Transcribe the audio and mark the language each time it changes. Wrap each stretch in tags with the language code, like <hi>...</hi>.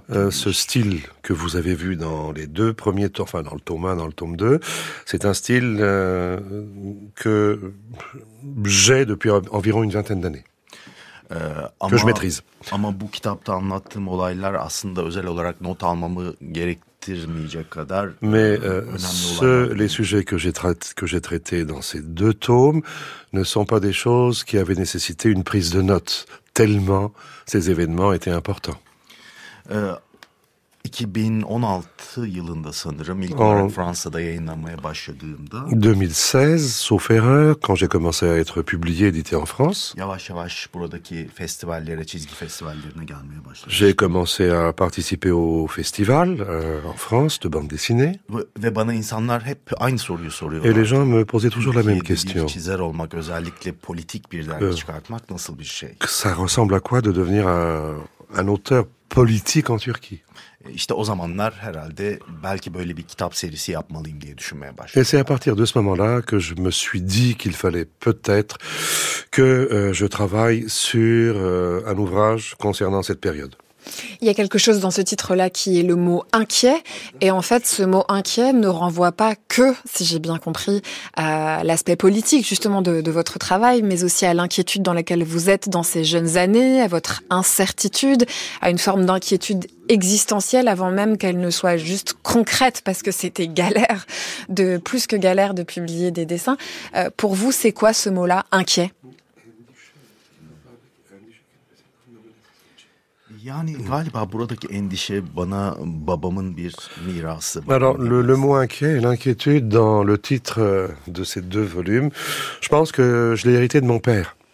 <fr>ce style que vous avez vu dans les deux premiers tomes enfin dans le tome 1 dans le tome 2 c'est un style que j'ai depuis environ une vingtaine d'années. Que je maîtrise.</fr> <tr>Ama bu kitapta anlattığım olaylar aslında özel olarak not almamı gerektirmeyecek kadar</tr> <fr>mais les sujets que j'ai traités dans ces deux tomes ne sont pas des choses qui avaient nécessité une prise de notes tellement ces événements étaient importants.</fr> <tr>2016 yılında sanırım ilk olarak Fransa'da yayınlanmaya başladığımda.</tr> <fr>2016, sauf erreur, quand j'ai commencé à être publié, édité en France.</fr> <tr>Yavaş yavaş buradaki festivallere, çizgi festivallerine gelmeye başladım.</tr> <fr>J'ai commencé à participer au festival en France de bande dessinée.</fr> <tr>Ve bana insanlar hep aynı soruyu soruyorlar.</tr> <fr>Et les gens me posaient toujours la même question.</fr> <tr>Bir çizer olmak, özellikle politik bir dergi çıkartmak nasıl bir şey?</tr> <fr>Ça ressemble à quoi de devenir un auteur politique en Turquie?</fr> <tr>İşte o zamanlar herhalde belki böyle bir kitap serisi yapmalıyım diye düşünmeye başladım.</tr> <fr>Et c'est à partir de ce moment-là que je me suis dit qu'il fallait peut-être que je travaille sur un ouvrage concernant cette période. Il y a quelque chose dans ce titre-là qui est le mot « inquiet ». Et en fait, ce mot « inquiet » ne renvoie pas que, si j'ai bien compris, à l'aspect politique justement de votre travail, mais aussi à l'inquiétude dans laquelle vous êtes dans ces jeunes années, à votre incertitude, à une forme d'inquiétude existentielle avant même qu'elle ne soit juste concrète, parce que c'était galère, de plus que galère de publier des dessins. Pour vous, c'est quoi ce mot-là « inquiet » ?</fr> <tr>Yani galiba buradaki endişe bana babamın bir mirası.</tr> <fr>Alors le mot inquiet et l'inquiétude dans le titre de ces deux volumes, je pense que je l'ai hérité de mon père.</fr>